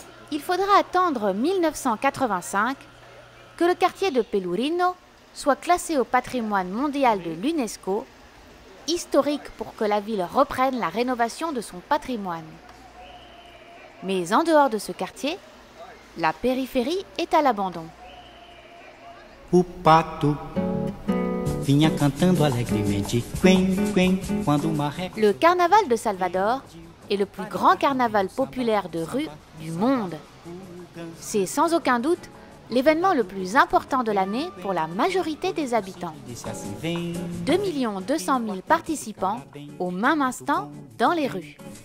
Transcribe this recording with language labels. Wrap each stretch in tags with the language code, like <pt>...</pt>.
<fr>Il faudra attendre 1985 que le quartier de Pelourinho soit classé au patrimoine mondial de l'UNESCO, historique pour que la ville reprenne la rénovation de son patrimoine. Mais en dehors de ce quartier, la périphérie est à l'abandon.</fr> <pt>O pato vinha cantando alegremente, quen, quen, quando uma ré...</pt> <fr>Le carnaval de Salvador est le plus grand carnaval populaire de rue du monde. C'est sans aucun doute l'événement le plus important de l'année pour la majorité des habitants. 2 200 000 participants au même instant dans les rues.</fr>